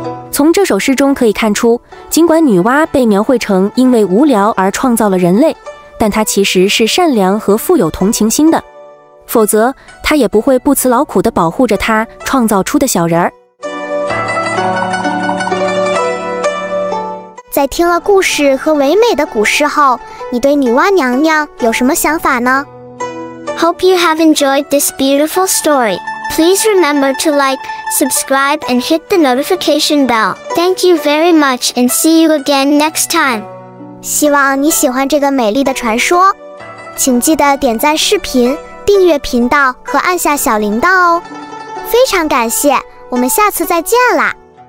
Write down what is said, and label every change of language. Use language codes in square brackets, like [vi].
[zh] 从这首诗中可以看出，尽管女娲被描绘成因为无聊而创造了人类，但她其实是善良和富有同情心的，否则她也不会不辞劳苦地保护着她创造出的小人儿。在听了故事和唯美的古诗后，你对女娲娘娘有什么想法呢？ [en] Hope you have enjoyed this beautiful story. Please remember to like,Subscribe and hit the notification bell. Thank you very much and see you again next time. [zh] 希望你喜欢这个美丽的传说，请记得点赞视频，订阅频道和按下小铃铛哦。非常感谢，我们下次再见了。